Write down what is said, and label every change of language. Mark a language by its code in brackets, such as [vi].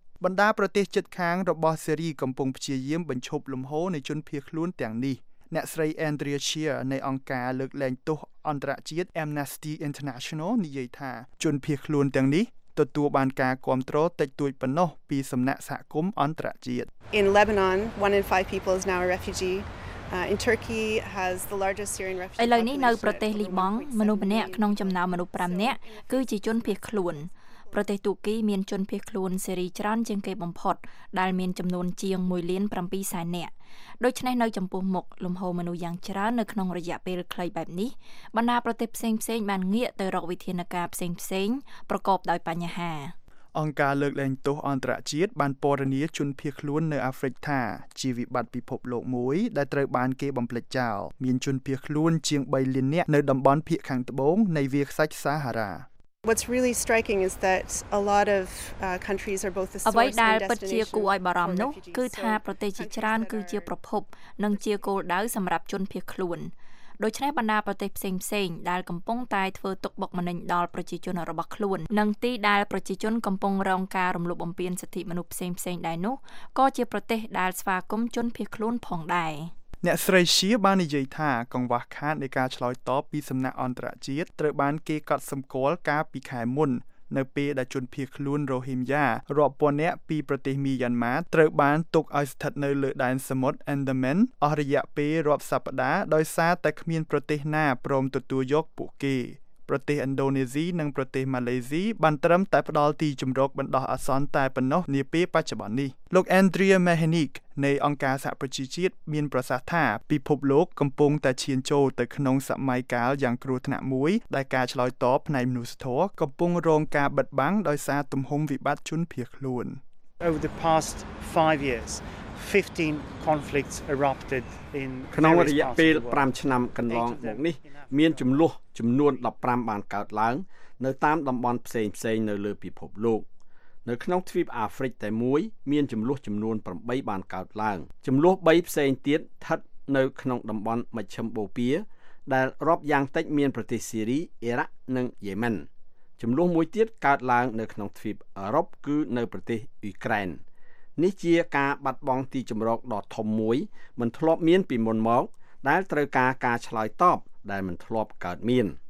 [km] បណ្ដាប្រទេសជិតខាងរបស់សេរីកំពុងព្យាយាមបញ្ឈប់លំហូរនៃជនភៀសខ្លួនទាំងនេះអ្នកស្រីអេនដ្រៀឈៀនៃអង្គការលើកលែងទោសអន្តរជាតិ Amnesty International និយាយថាជនភៀសខ្លួនទាំងនេះទទួលបានការគាំទ្រតិចតួចប៉ុណ្ណោះពីសំណាក់សហគមន៍អន្តរជាតិ [en] In Lebanon, 1 in 5 people is now a refugee. In Turkey has the largest Syrian refugee. [km] ឥឡូវនេះនៅប្រទេសលីបង់មនុស្សម្នាក់ក្នុងចំណោមមនុស្ស5នាក់គឺជាជនភៀសខ្លួនប្រទេសទួរគីមានជនភៀសខ្លួនសេរីច្រើនជាងគេបំផុតដែលមានចំនួនជាង1,700,000នាក់ដូច្នេះនៅចំពោះមុខលំហូរមនុស្សយ៉ាងច្រើននៅក្នុងរយៈពេលខ្លីបែបនេះបណ្ដាប្រទេសផ្សេងផ្សេងបានងាកទៅរកវិធានការផ្សេងផ្សេងប្រកបដោយបញ្ហា អង្គការលើកលែងទោសអន្តរជាតិបានពណ៌នាជនភៀសខ្លួននៅអាហ្វ្រិកថាជាវិបត្តិពិភពលោកមួយដែលត្រូវបានគេបំភ្លេចចោលមានជនភៀសខ្លួនជាង3លាននាក់នៅតំបន់ភាគខាងត្បូងនៃវាលខ្សាច់សាហារ៉ា [en] What's really striking is that a lot of countries are both the source and destination of refugees. [km] គឺថាប្រទេសជាច្រើនគឺជាប្រភពនិងជាគោលដៅសម្រាប់ជនភៀសខ្លួន។ដូច្នេះបណ្ដាប្រទេសផ្សេងផ្សេងដែលកំពុងតែធ្វើទុកបុកម្នេញដល់ប្រជាជនរបស់ខ្លួននិងទីដែលប្រជាជនកំពុងរងការរំលោភបំពានសិទ្ធិមនុស្សផ្សេងផ្សេងដែរនោះក៏ជាប្រទេសដែលស្វាគមន៍ជនភៀសខ្លួនផងដែរ។ អ្នកស្រីឈៀបាននិយាយថាកង្វះខាតនៃការឆ្លើយតបពីសំណាក់អន្តរជាតិត្រូវបានគេកត់សម្គាល់ការពីខែមុននៅពេលដែលជនភៀសខ្លួនរ៉ូហីមយ៉ារាប់ពាន់នាក់ពីប្រទេសមីយ៉ាន់ម៉ាត្រូវបានទុកឲ្យស្ថិតនៅលើដែនសមុទ្រអិនដាមែនអស់រយៈពេលរាប់សប្តាហ៍ដោយសារតែគ្មានប្រទេសណាព្រមទទួលយកពួកគេ ប្រទេសឥណ្ឌូនេស៊ីនិងប្រទេសម៉ាឡេស៊ីបានត្រឹមតែផ្ដល់ទីជំរកបណ្ដោះអាសន្នតែប៉ុណ្ណោះនាពេលបច្ចុប្បន្ននេះលោកអេនដ្រៀមេហេនីកនៃអង្គការសហប្រជាជាតិមានប្រសាសន៍ថាពិភពលោកកំពុងតែឈានចូលទៅក្នុងសម័យកាលយ៉ាងគ្រោះថ្នាក់មួយដែលការឆ្លើយតបផ្នែកមនុស្សធម៌កំពុងរងការបិទបាំងដោយសារទំហំវិបត្តិជនភៀសខ្លួន [en] Over the past 5 years 15 conflicts erupted in [km] ក្នុងរយៈពេល5ឆ្នាំកន្លងមកនេះមានចំនួនចំនួន15បានកើតឡើងនៅតាមតំបន់ផ្សេងៗនៅលើពិភពលោក នៅក្នុងទ្វីបអាហ្វ្រិកតែមួយមានចំនួនចំនួន8បានកើតឡើងចំនួន3ផ្សេងទៀតស្ថិតនៅក្នុងតំបន់មជ្ឈមបូព៌ាដែលរាប់យ៉ាងតិចមានប្រទេសស៊ីរីអ៊ីរ៉ាក់និងយេម៉ែនចំនួនមួយទៀតកើតឡើងនៅក្នុងទ្វីបអឺរ៉ុបគឺនៅប្រទេសអ៊ុយក្រែននេះជាការបាត់បង់ទីជម្រកដ៏ធំមួយមិនធ្លាប់មានពីមុនមកដែលត្រូវការការឆ្លើយតបដែលមិនធ្លាប់កើតមាន